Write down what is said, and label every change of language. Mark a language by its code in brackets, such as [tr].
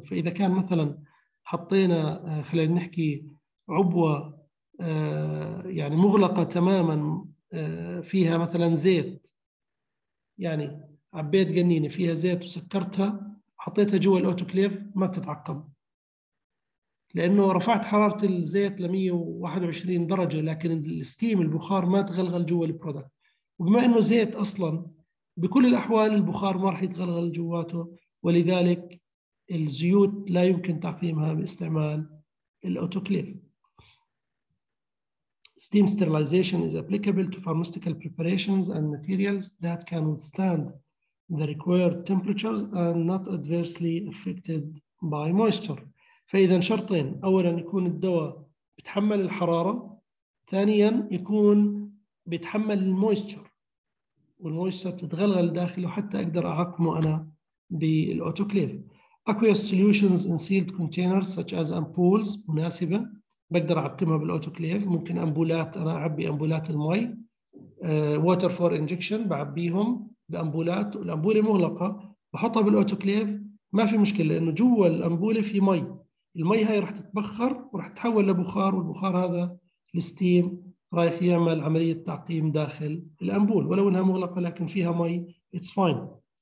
[ar] فاذا كان مثلا حطينا خلينا نحكي عبوه يعني مغلقه تماما فيها مثلا زيت، يعني عبيت جنينه فيها زيت وسكرتها حطيتها جوا الاوتوكليف ما بتتعقم، لانه رفعت حراره الزيت ل 121 درجه لكن الستيم البخار ما تغلغل جوا البرودكت. وبما انه زيت اصلا بكل الاحوال البخار ما راح يتغلغل جواته، ولذلك الزيوت لا يمكن تعقيمها باستعمال الاوتوكليف. [en] Steam sterilization is applicable to pharmaceutical preparations and materials that can withstand the required temperatures and not adversely affected by moisture. [ar] فإذا شرطين، أولا يكون الدواء بتحمل الحرارة، ثانيا يكون بتحمل الموستر والموستر بتتغلغل داخله حتى أقدر أعقمه أنا بالأوتوكليف. [en] Aqueous solutions in sealed containers such as ampoules [ar] مناسبة، بقدر أعقمها بالأوتوكليف. ممكن أمبولات، أنا أعبي أمبولات المي water for injection بعبيهم بأمبولات، الأمبولة مغلقة بحطها بالأوتوكليف ما في مشكلة لأنه جوا الأمبولة في مي، المي هاي راح تتبخر وراح تتحول لبخار، والبخار هذا الستيم رايح يعمل عملية تعقيم داخل الأمبول ولو أنها مغلقة لكن فيها مي [en] it's fine.